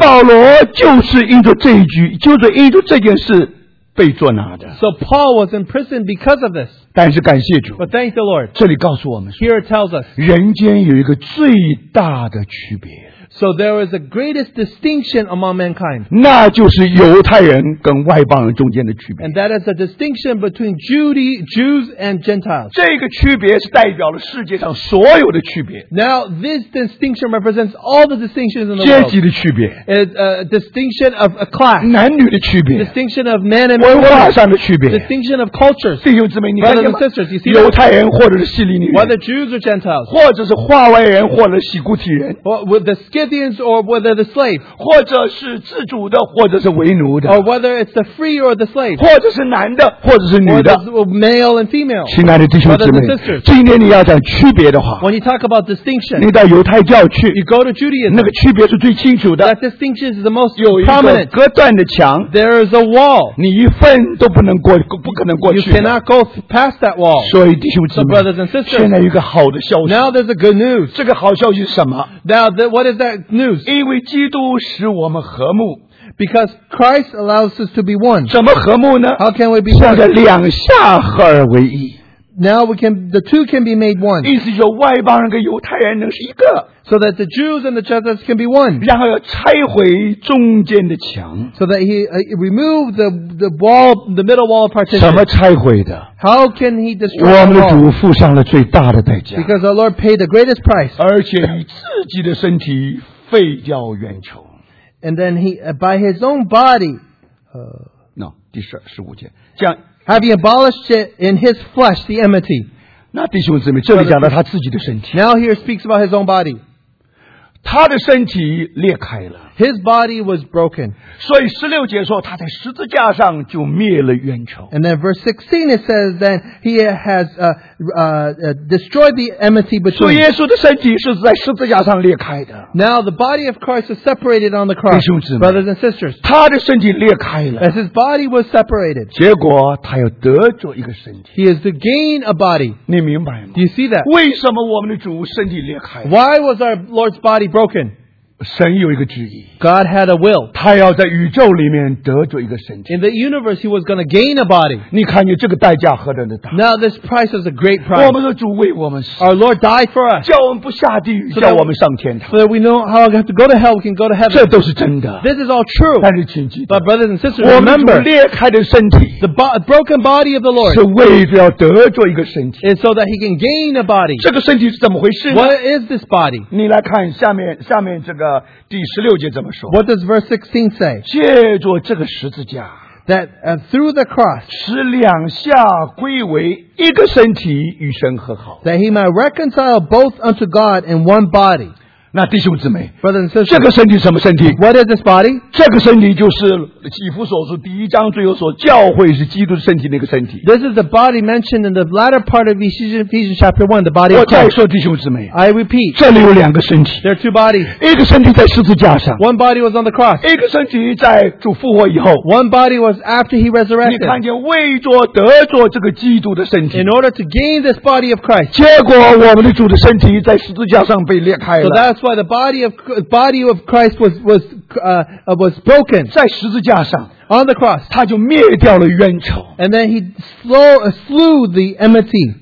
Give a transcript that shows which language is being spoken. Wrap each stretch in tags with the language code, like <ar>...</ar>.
<zh>保罗就是因着这一句，就是因着这件事被捉拿的。</zh> <en>So Paul was in prison because of this.</en> <zh>但是感谢主。</zh> <en>But thank the Lord.</en> <zh>这里告诉我们，</zh> <en>Here it tells us.</en> <zh>人间有一个最大的区别。</zh> <en>So there is the greatest distinction among mankind.</en> <zh>那就是犹太人跟外邦人中间的区别。</zh> <en>And that is the distinction between Jews and Gentiles.</en> <zh>这个区别是代表了世界上所有的区别。</zh> <en>Now this distinction represents all the distinctions in the world.</en> <zh>阶级的区别。</zh> <en>A distinction of a class.</en> <zh>男女的区别。</zh> <en>Distinction of man and woman.</en> <zh>文化上的区别。</zh> <en>Distinction of cultures.</en> <zh>弟兄姊妹，你看见吗？</zh> <en>Brothers and sisters, you see</en> <zh>犹太人或者是希利尼人。</zh> <en>Whether Jews or Gentiles.</en> <zh>或者是化外人或者洗固体人。</zh> <en>With the Scythians or whether the slave,</en> <zh>或者是自主的，或者是为奴的，</zh> <en>or whether it's the free or the slave,</en> <zh>或者是男的，或者是女的，</zh> <en>or male and female.</en> <zh>亲爱的弟兄姊妹，今天你要讲区别的话，</zh> <en>when you talk about distinction,</en> <zh>你到犹太教去，</zh> <en>you go to Judaism,</en> <zh>那个区别是最清楚的。</zh> <en>That distinction is the most prominent.</en> <zh>有一个隔断的墙，</zh> <en>there is a wall.</en> <zh>你一分都不能过，不可能过去。</zh> <en>You cannot go past that wall.</en> <zh>所以弟兄姊妹，</zh> <en>so brothers and sisters,</en> <zh>现在有一个好的消息。</zh> <en>Now there's a good news.</en> <zh>这个好消息是什么？</zh> <en>Now what is that? News.</en> <zh>因为基督使我们和睦。</zh> <en>Because Christ allows us to be one.</en> <zh>怎么和睦呢？</zh> <en>How can we be one?</en> <zh>像是两下合而为一。</zh> <en>Now the two can be made one.</en> <zh>意思就是外邦人跟犹太人能是一个。</zh> <en>So that the Jews and the Gentiles can be one.</en> <zh>然后要拆毁中间的墙。</zh> <en>So that he removed the wall, the middle wall partition.</en> <zh>怎么拆毁的？</zh> <en>How can he destroy the wall?</en> <zh>我们的主付上了最大的代价。</zh> <en>Because our Lord paid the greatest price.</en> <zh>而且以自己的身体废掉冤仇。</zh> <en>And then he, by his own body,</en> <zh>第十二、十五节，将。</zh> <en>Having abolished it in his flesh, the enmity.</en> <zh>那弟兄姊妹，这里讲到他自己的身体。</zh> <en>Now here speaks about his own body.</en> <zh>他的身体裂开了。</zh> <en>His body was broken.</en> <zh>所以十六节说他在十字架上就灭了冤仇。</zh> <en>And then verse 16 it says that he has destroyed the enmity between.</en> <zh>所以耶稣的身体是在十字架上裂开的。</zh> <en>Now the body of Christ is separated on the cross.</en> <zh>弟兄姊妹，</zh> <en>brothers and sisters,</en> <zh>他的身体裂开了。</zh> <en>As his body was separated.</en> <zh>结果他要得着一个身体。</zh> <en>He is to gain a body.</en> <zh>你明白吗？</zh> <en>Do you see that?</en> <zh>为什么我们的主身体裂开？</zh> <en>Why was our Lord's body broken?</en> <zh>神有一个旨意。</zh> <en>God had a will.</en> <zh>他要在宇宙里面得着一个身体。</zh> <en>In the universe, he was going to gain a body.</en> <zh>你看你这个代价何等的大。</zh> <en>Now this price is a great price.</en> <zh>我们的主为我们死。</zh> <en>Our Lord died for us.</en> <zh>叫我们不下地狱，叫我们上天堂。</zh> <en>So that we know how we have to go to hell, we can go to heaven.</en> <zh>这都是真的。</zh> <en>This is all true.</en> <zh>但是请记得。</zh> <en>But brothers and sisters, remember.</en> <zh>我们主裂开的身体。</zh> <en>The broken body of the Lord.</en> <zh>是为了得着一个身体。</zh> <en>And so that he can gain a body.</en> <zh>这个身体是怎么回事呢？</zh> <en>What is this body?</en> <zh>你来看下面这个。第十六节怎么说？</zh> <en>What does verse 16 say?</en> <zh>借着这个十字架，</zh> <en>that through the cross,</en> <zh>使两下归为一个身体，与神和好。</zh> <en>That he might reconcile both unto God in one body.</en> <zh>那弟兄姊妹，</zh> <en>Brothers and sisters,</en> <zh>这个身体什么身体？</zh> <en>What is this body?</en> <zh>这个身体就是以弗所书第一章最后说教会是基督身体那个身体。</zh> <en>This is the body mentioned in the latter part of Ephesians chapter 1, the body of Christ.</en> <zh>我再说弟兄姊妹，</zh> <en>I repeat,</en> <zh>这里有两个身体。</zh> <en>There are two bodies.</en> <zh>一个身体在十字架上，</zh> <en>One body was on the cross.</en> <zh>一个身体在主复活以后，</zh> <en>One body was after he resurrected.</en> <zh>你看见为着得着这个基督的身体，</zh> <en>In order to gain this body of Christ.</en> <zh>结果我们的主的身体在十字架上被裂开了。</zh> <en>So that's why the body of Christ was broken.</en> <zh>在十字架上</zh> <en>On the cross.</en> <zh>他就灭掉了冤仇。</zh> <en>And then he slew the enmity.</en>